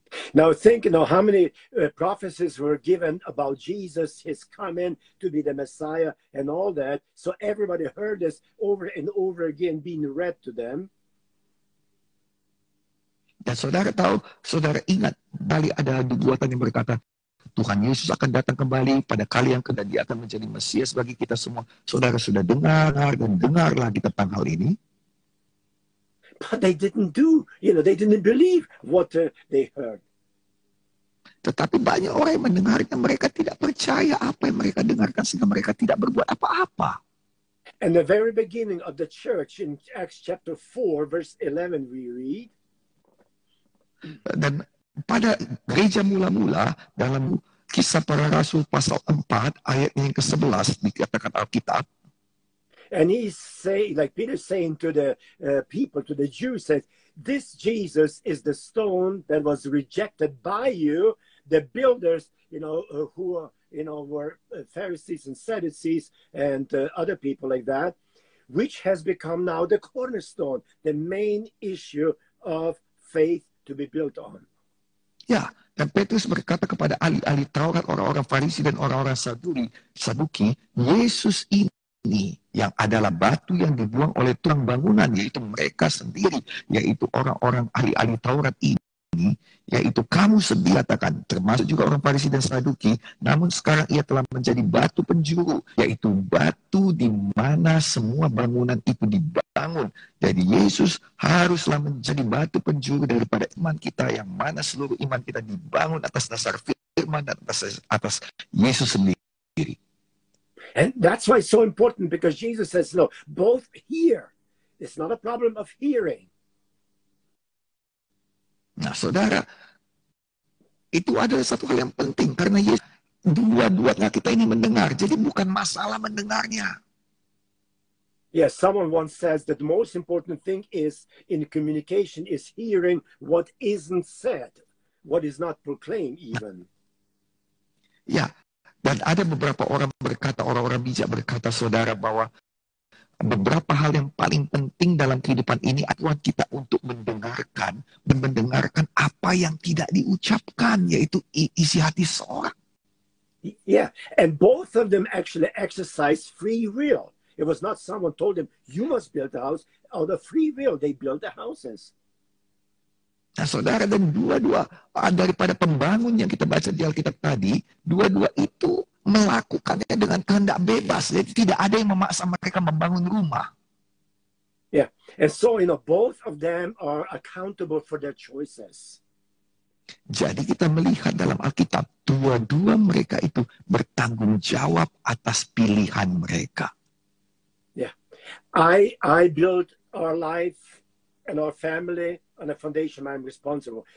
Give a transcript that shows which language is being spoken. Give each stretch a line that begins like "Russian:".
English: Now think, you know, how many prophecies were given about Jesus, his coming to be the Messiah and all that. So everybody heard this over and over again being read to them.
Indonesian: Dan saudara tahu, saudara ingat, balik ada nubuatan yang berkata, Tuhan Yesus akan datang kembali pada kali yang kedua, dia akan menjadi Mesias bagi kita semua. Saudara sudah dengar dan dengar lagi tentang hal ini.
English: But they didn't do, you know, they didn't believe what they heard.
Indonesian: Tetapi banyak orang yang mendengarnya, mereka tidak percaya apa yang mereka dengarkan, sehingga mereka tidak berbuat apa-apa.
English: In the very beginning of the church, in Acts chapter 4, verse 11, we read,
Indonesian: dan pada gereja mula-mula dalam Kisah Para Rasul pasal 4 ayat yang ke-11 dikatakan Alkitab.
English: And he say, like Peter saying to the people, to the Jews, says, this Jesus is the stone that was rejected by you, the builders, you know, who are, you know, were Pharisees and Sadducees and other people like that, which has become now the cornerstone, the main issue of faith to be built on.
Indonesian: Ya, dan Petrus berkata kepada ahli-ahli Taurat, orang-orang Farisi dan orang-orang Saduki, Yesus ini yang adalah batu yang dibuang oleh tukang bangunan, yaitu mereka sendiri, yaitu orang-orang ahli-ahli Taurat ini, yaitu kamu sendiri katakan, termasuk juga orang Farisi dan Saduki, namun sekarang ia telah menjadi batu penjuru, yaitu batu di mana semua bangunan itu dibangun. Jadi Yesus haruslah menjadi batu penjuru daripada iman kita, yang mana seluruh iman kita dibangun atas dasar firman dan atas Yesus sendiri.
English: And that's why it's so important, because Jesus says, no, both hear. It's not a problem of hearing.
Indonesian: Nah, saudara, itu adalah satu hal yang penting, karena dua-duanya kita ini mendengar, jadi bukan masalah mendengarnya.
English: Yes, someone once says that the most important thing is in communication is hearing what isn't said, what is not proclaimed even.
Indonesian: Ya, dan ada beberapa orang berkata, orang-orang bijak berkata, saudara, bahwa beberapa hal yang paling penting dalam kehidupan ini adalah kita untuk mendengarkan dan mendengarkan apa yang tidak diucapkan, yaitu isi hati seorang.
English: Yeah, and both of them actually exercise free will. It was not someone told them, you must build a house. Out of free will, they build the houses.
Indonesian: Nah, saudara, dan dua-dua daripada pembangun yang kita baca di Alkitab tadi, dua-dua itu melakukannya dengan kehendak bebas. Jadi tidak ada yang memaksa mereka membangun rumah.
English: Yeah, and so, you know, both of them are accountable for their choices.
Indonesian: Jadi kita melihat dalam Alkitab, dua-dua mereka itu bertanggung jawab atas pilihan mereka.
English: Yeah, I build our life and our family on a foundation I'm responsible.